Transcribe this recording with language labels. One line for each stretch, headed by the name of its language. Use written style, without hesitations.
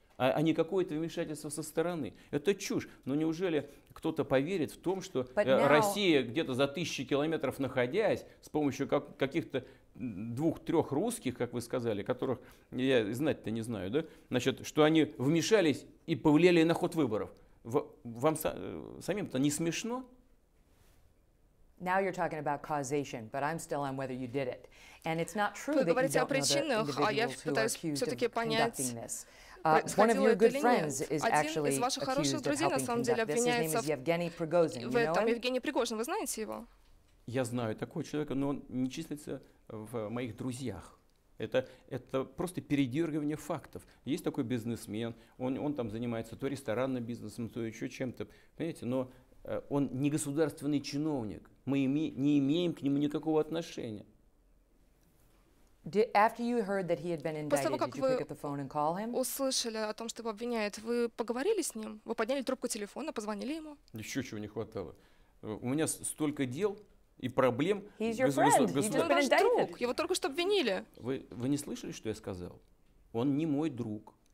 Russian: а не какое-то вмешательство со стороны. Это чушь. Но неужели кто-то поверит в том, что Россия, где-то за тысячи километров находясь, с помощью каких-то двух-трех русских, как вы сказали, которых я знать-то не знаю, да, значит, что они вмешались и повлияли на ход выборов. Вам самим-то не смешно?
English: Now you're talking about causation, but I'm still on whether you did it. And it's not true that you don't know the individuals who are accused of conducting this. One of your good friends is actually accused of helping conduct this. His name is Yevgeny Prigozhin. You know him?
Russian: Евгений Пригожин, вы знаете его? Я знаю такого человека, но он не числится в моих друзьях. Это просто передергивание фактов. Есть такой бизнесмен, он там занимается то ресторанным бизнесом, то еще чем-то. Понимаете, но он не государственный чиновник. Мы не имеем к нему никакого отношения.
English: After you heard that he had been indicted, did you pick up the phone and call him?
Russian: Услышали о том, что его обвиняют, вы поговорили с ним? Вы подняли трубку телефона, позвонили ему? Еще чего не хватало. У меня столько дел и проблем.
English: He's your friend. He's just been indicted.
Russian: Его только что обвинили. Вы не слышали, что я сказал? Он не мой друг.